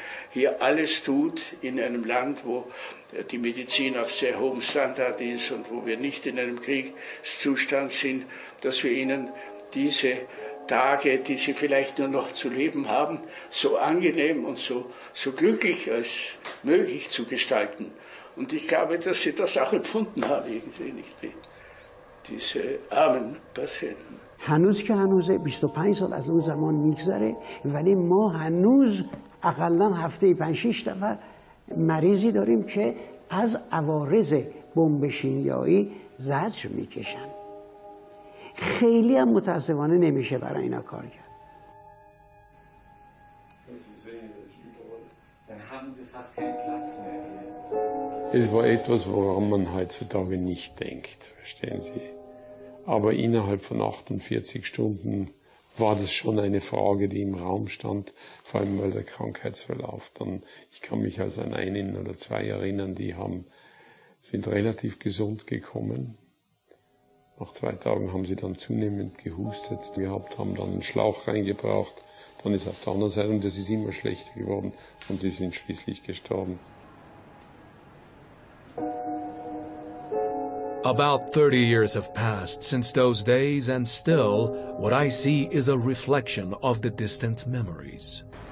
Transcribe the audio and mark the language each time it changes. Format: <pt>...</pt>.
<de>Hier alles tut in einem Land, wo die Medizin auf sehr hohem Standard ist und wo wir nicht in einem Kriegszustand sind, dass wir ihnen diese Tage, die sie vielleicht nur noch zu leben haben, so angenehm und so glücklich als möglich zu gestalten. Und ich glaube, dass sie das auch empfunden haben, irgendwie, nicht diese armen Patienten.</de> <fa>هنوز که هنوز 25 سال از اون زمان میگذره، ولی ما هنوز اقلا هفته 5-6 نفر مریضی داریم که از عوارض بمب شیمیایی زجر میکشن. خیلی هم متاسفانه نمیشه برای اینا کار کرد.</fa> <de>Es war etwas, woran man heutzutage nicht denkt, verstehen Sie? Aber innerhalb von 48 Stunden war das schon eine Frage, die im Raum stand, vor allem weil der Krankheitsverlauf dann, ich kann mich also an einen oder zwei erinnern, die sind relativ gesund gekommen. Nach zwei Tagen haben sie dann zunehmend gehustet. Wir haben dann einen Schlauch reingebracht, dann ist auf der anderen Seite, und das ist immer schlechter geworden, und die sind schließlich gestorben.</de> <en>About 30 years have passed since those days, and still, what I see is a reflection of the distant memories.</en>